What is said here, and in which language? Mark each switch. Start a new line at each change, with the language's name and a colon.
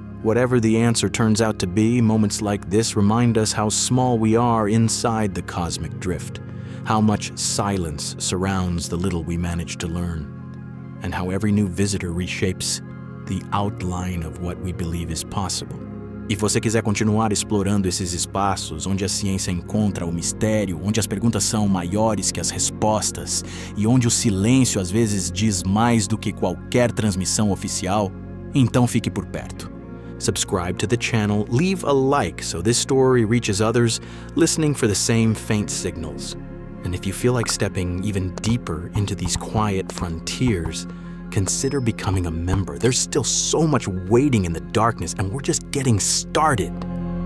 English: Whatever the answer turns out to be, moments like this remind us how small we are inside the cosmic drift, how much silence surrounds the little we manage to learn, and how every new visitor reshapes the outline of what we believe is possible.
Portuguese: E você quiser continuar explorando esses espaços onde a ciência encontra o mistério, onde as perguntas são maiores que as respostas e onde o silêncio às vezes diz mais do que qualquer transmissão oficial, então fique por perto.
English: Subscribe to the channel, leave a like so this story reaches others listening for the same faint signals. And if you feel like stepping even deeper into these quiet frontiers, consider becoming a member. There's still so much waiting in the darkness, and we're just getting started.